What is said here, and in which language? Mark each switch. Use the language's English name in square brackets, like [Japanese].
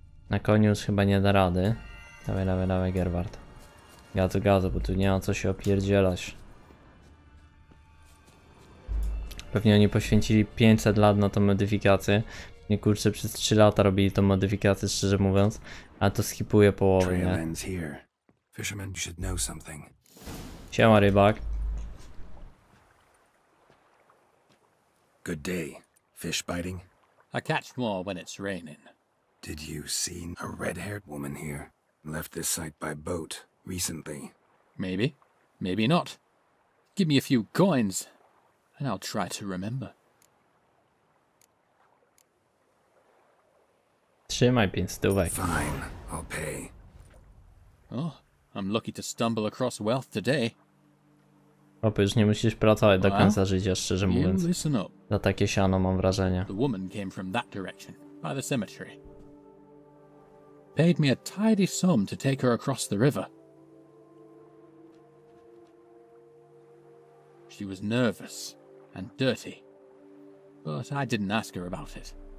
[Polish] Na koniu już chyba nie da rady. Dawaj, Gerward. Gazu, bo tu nie ma co się opierdzielać. Pewnie oni poświęcili 500 lat na tą modyfikację. Nie, kurczę, przez 3 lata robili tą modyfikację, szczerze mówiąc. A to skipuje połowę, nie? [English] Fisherman, you should know something. [Polish] Siema, rybak. [English] Good day. Fish biting? I catch more when it's raining. Did you see a red-haired woman here? Left this site by boat recently. Maybe. Maybe not. Give me a few coins and I'll try to remember. [Polish] Trzymaj 500. [English] Fine. I'll pay. Oh. I'm lucky to stumble across wealth today. [Polish] Opa, już nie musisz pracować do końca życia, szczerze mówiąc. Za takie siano, mam wrażenie. [English] The woman came from that direction, by the cemetery. Paid me a tidy sum to take her across the river. She was nervous and dirty, but I didn't ask her about it.